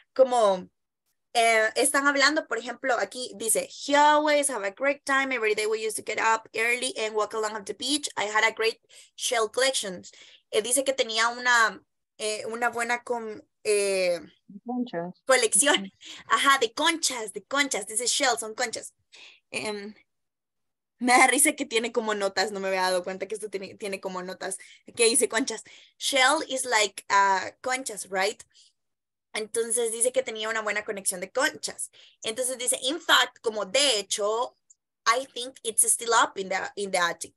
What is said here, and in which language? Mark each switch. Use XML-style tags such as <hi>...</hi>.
<es>Como están hablando, por ejemplo, aquí dice,</es> <en>he always have a great time. Every day we used to get up early and walk along the beach. I had a great shell collection.</en> <es>Dice que tenía una buena colección. Ajá, de conchas. Dice shell, son conchas. Me da risa que tiene como notas, no me había dado cuenta que esto tiene como notas. Aquí dice conchas.</es> <en>Shell is like</en> <es>conchas, right? Entonces dice que tenía una buena conexión de conchas. Entonces dice,</es> <en>in fact,</en> <es>como de hecho,</es> <en>I think it's still up in the attic.</en>